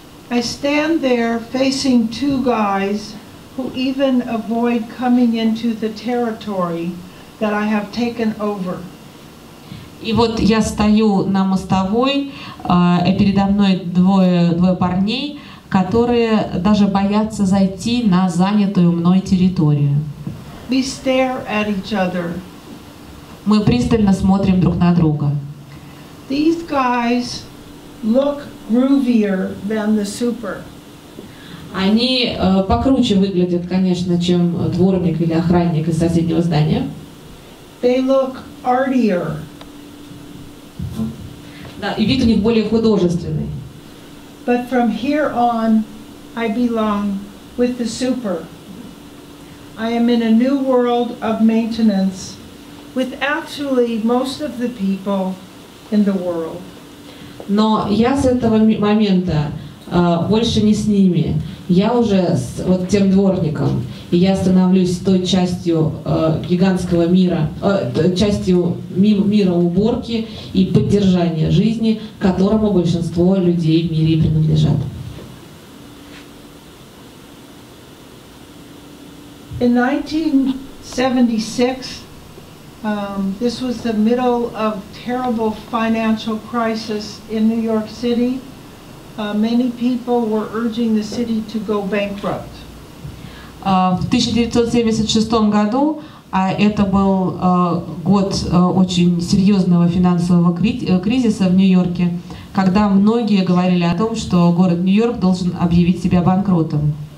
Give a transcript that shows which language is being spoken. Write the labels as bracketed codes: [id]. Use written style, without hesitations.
[en] I stand there facing two guys who even avoid coming into the territory that I have taken over. [ru] И вот я стою на мостовой, и передо мной двое парней, которые даже боятся зайти на занятую мной территорию. [en] We stare at each other. [ru] Мы пристально смотрим друг на друга. [en] These guys look groovier than the super. [ru] Они покруче выглядят, конечно, чем дворник или охранник из соседнего здания. [en] They look artier. [ru] Да, и вид у них более художественный. [en] But from here on, I belong with the super. I am in a new world of maintenance with actually most of the people in the world. [ru] Но я с этого момента больше не с ними. Я уже с вот тем дворником, и я становлюсь той частью гигантского мира, частью мира уборки и поддержания жизни, которому большинство людей в мире принадлежат. [en] In 1976, this was the middle of terrible financial crisis in New York City. Many people were urging the city to go bankrupt. [ru] В 1976 году, а это был год очень серьезного финансового кризиса в Нью-Йорке, когда многие говорили о том, что город Нью-Йорк должен объявить себя банкротом.